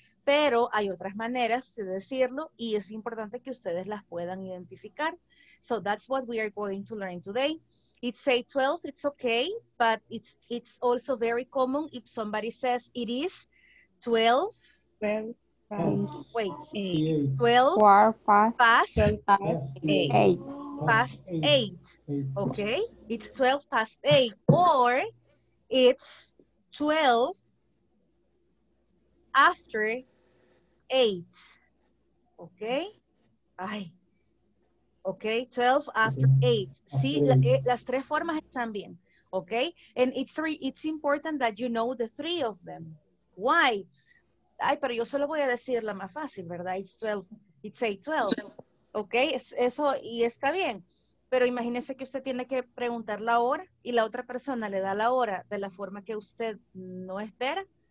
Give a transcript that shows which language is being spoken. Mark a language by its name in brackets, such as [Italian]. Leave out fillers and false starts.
[Spanish] Pero hay otras maneras de decirlo y es importante que ustedes las puedan identificar. [English] So that's what we are going to learn today. It's A12, it's okay, but it's also very common if somebody says it is 12. Past eight. Okay, it's 12 past 8, or it's 12 after 8. Okay, ay, okay, 12 after 8. See, [Spanish] las tres formas están bien. [English] Okay, and it's important that you know the three of them. Why? [Spanish] Ay, pero yo solo voy a decir la más fácil, ¿verdad? [English] It's 12. It's a 12. [Spanish] Ok, eso y está bien. Pero imagínese que usted tiene que preguntar la hora y la otra persona le da la hora de la forma que usted no espera.